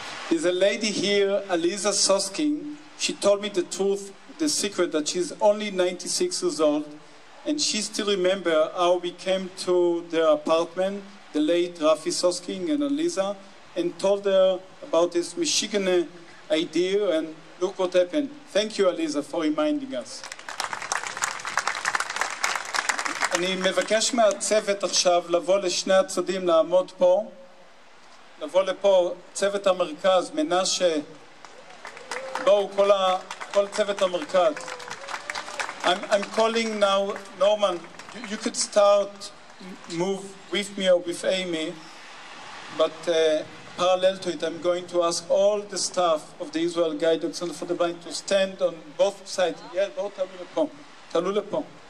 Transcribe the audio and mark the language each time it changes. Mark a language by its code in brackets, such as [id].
[en] There's a lady here, Aliza Soskin. She told me the truth, the secret, that she's only 96 years old, and she still remember how we came to their apartment, the late Rafi Soskin and Aliza, and told her about this Michigan idea, and look what happened. Thank you, Aliza, for reminding us. [he] אני מבקש מהצוות עכשיו לבוא לשני הצדים, לעמוד פה, לבוא לפה, צוות המרכז, מנשה, בואו, כל צוות המרכז. [en] I'm calling now, Norman, you could start move with me or with Amy, but parallel to it, I'm going to ask all the staff of the Israel Guide Dogs and for the Blind to stand on both sides. [he] Yeah, בואו תעלו לפה, תעלו לפה.